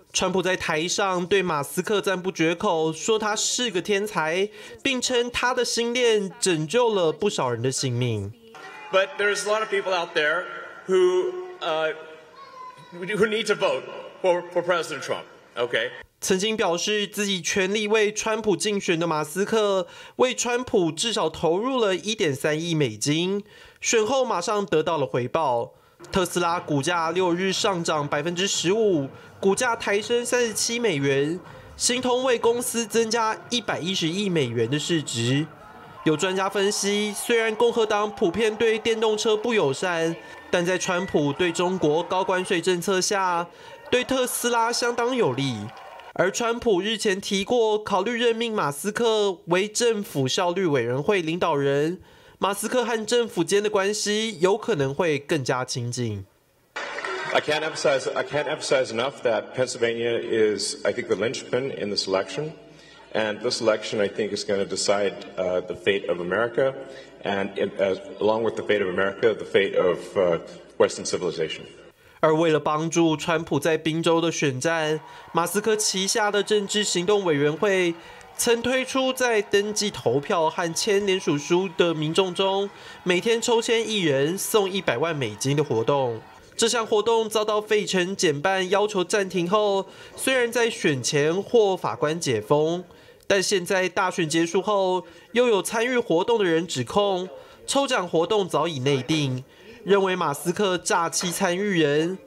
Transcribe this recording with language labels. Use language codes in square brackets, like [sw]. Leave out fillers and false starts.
[zh] 川普在台上对马斯克赞不绝口，说他是个天才，并称他的星链拯救了不少人的性命。 [en] But there's a lot of people out there who need to vote for President Trump. Okay. [zh] 曾经表示自己全力为川普竞选的马斯克，为川普至少投入了$1.3亿，选后马上得到了回报。特斯拉股价6日上涨15%，股价抬升$37，形同为公司增加$110亿的市值。有专家分析，虽然共和党普遍对电动车不友善，但在川普对中国高关税政策下，对特斯拉相当有利。而川普日前提过考虑任命马斯克为政府效率委员会领导人。马斯克和政府间的关系有可能会更加亲近。 [en] I can't emphasize enough that Pennsylvania is, I think, the linchpin in this election, and this election, I think, is going to decide the fate of America, and along with the fate of America, the fate of Western civilization. [zh] 而为了帮助川普在宾州的选战，马斯克旗下的政治行动委员会。曾推出在登记投票和签联署书的民众中，每天抽签一人送$100万的活动。这项活动遭到费城减半要求暂停后，虽然在选前获法官解封，但现在大选结束后，又有参与活动的人指控抽奖活动早已内定，认为马斯克诈欺参与人。